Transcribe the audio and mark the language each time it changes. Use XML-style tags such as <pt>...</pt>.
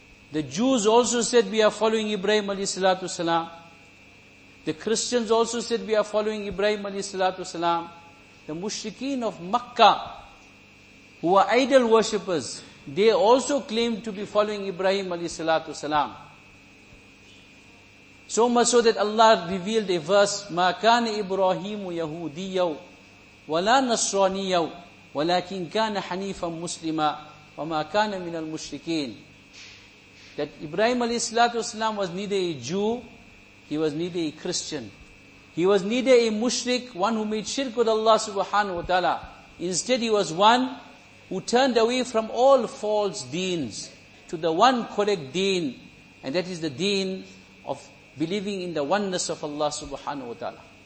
<en>The Jews also said, we are following Ibrahim alayhi salatu wasalam. The Christians also said, we are following Ibrahim alayhi salatu wasalam. The mushrikeen of Makkah, who are idol worshippers, they also claimed to be following Ibrahim alayhi salatu wasalam. So much so that Allah revealed a verse,</en> <ar>مَا كَانَ إِبْرَاهِيمُ يَهُودِيَّوْ وَلَا نَصْرَانِيَّوْ وَلَكِنْ كَانَ حَنِيفًا مُسْلِمًا وَمَا كَانَ مِنَ الْمُشْرِكِينَ.</ar> <en>That Ibrahim alayhi salatu wasalam was neither a Jew, he was neither a Christian. He was neither a mushrik, one who made shirk with Allah subhanahu wa ta'ala. Instead, he was one who turned away from all false deens to the one correct deen, and that is the deen of believing in the oneness of Allah subhanahu wa ta'ala.</en>